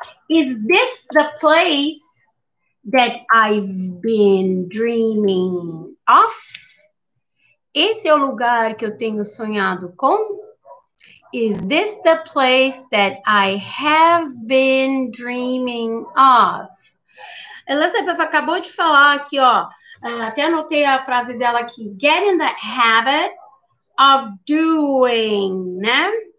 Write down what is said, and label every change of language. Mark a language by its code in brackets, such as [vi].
[en] Is this the place that I've been dreaming of? [pt] Esse é o lugar que eu tenho sonhado com? [en] Is this the place that I have been dreaming of? [pt] Elisabeth acabou de falar aqui, ó. Até anotei a frase dela aqui. [en] Get in the habit of doing, [pt] né?